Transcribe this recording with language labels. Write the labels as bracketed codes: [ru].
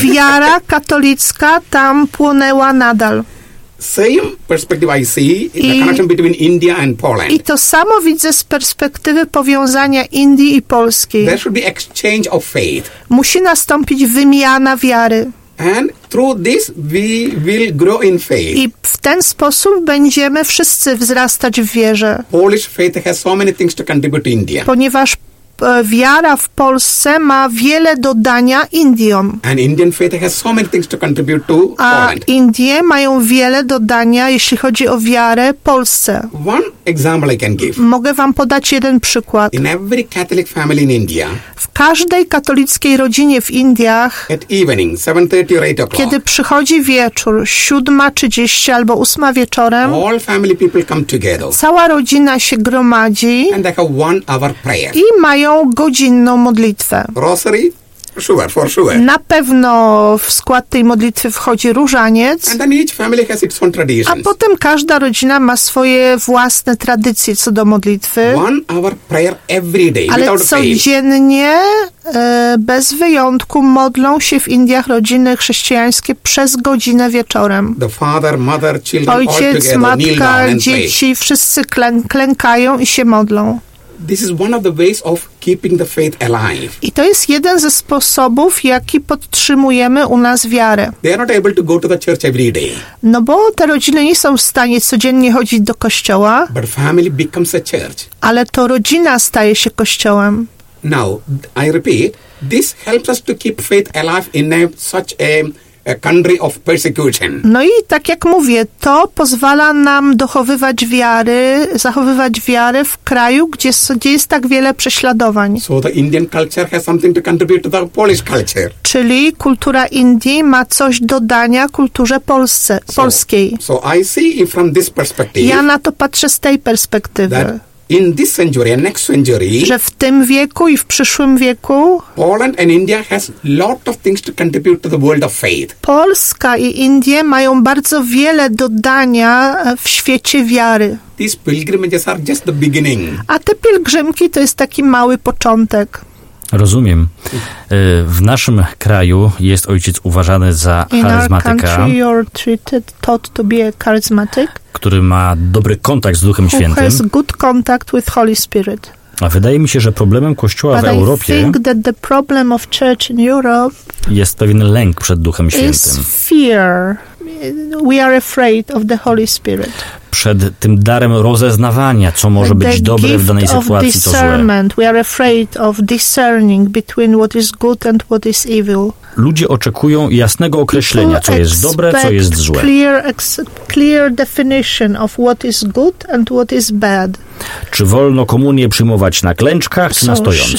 [pl] Wiara katolicka tam płonęła nadal. [en] Same perspective I see in the connection between India and Poland. [pl] I to samo widzę z perspektywy powiązania Indii i Polski. [en] There should be exchange of faith. [pl] Musi nastąpić wymiana wiary. [en] And through this we will grow in faith. [pl] I w ten sposób będziemy wszyscy wzrastać w wierze. [en] Polish faith has so many things to contribute to India. [pl] Ponieważ wiara w Polsce ma wiele do dania Indiom. [en] And Indian faith has so many things to contribute to Poland. [pl] A Indie mają wiele do dania, jeśli chodzi o wiarę Polsce. [en] One example I can give. [pl] Mogę wam podać jeden przykład. [en] In every Catholic family in India, [pl] w każdej katolickiej rodzinie w Indiach, [en] at evening, 7:30 or 8 o'clock, [pl] kiedy przychodzi wieczór, 7:30 albo 8 wieczorem, [en] all family people come together. [pl] Cała rodzina się gromadzi [en] and they have 1 hour prayer. [pl] I mają godzinną modlitwę. [en] Rosary? Sure, for sure. [pl] Na pewno w skład tej modlitwy wchodzi różaniec. [en] And then each family has its own traditions. [pl] A potem każda rodzina ma swoje własne tradycje co do modlitwy. [en] 1 hour prayer every day. [pl] Ale codziennie, bez wyjątku, modlą się w Indiach rodziny chrześcijańskie przez godzinę wieczorem. [en] The father, mother, children, [pl] ojciec, [en] all together, [pl] matka, dzieci, wszyscy klękają i się modlą. [en] This is one of the ways of keeping the faith alive. [pl] I to jest jeden ze sposobów, jaki podtrzymujemy u nas wiarę. [en] They are not able to go to the church every day. [pl] No bo te rodziny nie są w stanie codziennie chodzić do kościoła. [en] But family becomes a church. [pl] Ale to rodzina staje się kościołem. [en] Now, I repeat, this helps us to keep faith alive in a, such a country of persecution. [pl] No i tak jak mówię, to pozwala nam dochowywać wiary, zachowywać wiarę w kraju, gdzie jest tak wiele prześladowań. [en] So the Indian culture has something to contribute to the Polish culture. [pl] Czyli kultura Indii ma coś do dania kulturze polskiej. [en] So I see it from this perspective. [pl] Ja na to patrzę z tej perspektywy. [en] In this century and next century, [pl] że w tym wieku i w przyszłym wieku [en] Poland and India has lot of things to contribute to the world of faith. [pl] Polska i Indie mają bardzo wiele do dania w świecie wiary. [en] These pilgrimages are just the beginning. [pl] A te pielgrzymki to jest taki mały początek. Rozumiem. W naszym kraju jest ojciec uważany za charyzmatyka. [en] In our country, you're treated, taught to be a charismatic. [pl] Który ma dobry kontakt z Duchem Świętym. [en] Who has good contact with Holy Spirit. [pl] A wydaje mi się, że problemem Kościoła [en] But [pl] w Europie [en] I think that the problem of church in Europe [pl] jest pewien lęk przed Duchem Świętym. [en] Is fear. We are afraid of the Holy Spirit. [pl] Przed tym darem rozeznawania, co może [en] the [pl] być dobre w danej sytuacji, co złe. [en] We are afraid of discerning between what is good and what is evil. [pl] Ludzie oczekują jasnego określenia, co jest dobre, co jest złe. [en] Clear definition of what is good and what is bad. [pl] Czy wolno komunię przyjmować na klęczkach czy na stojąco?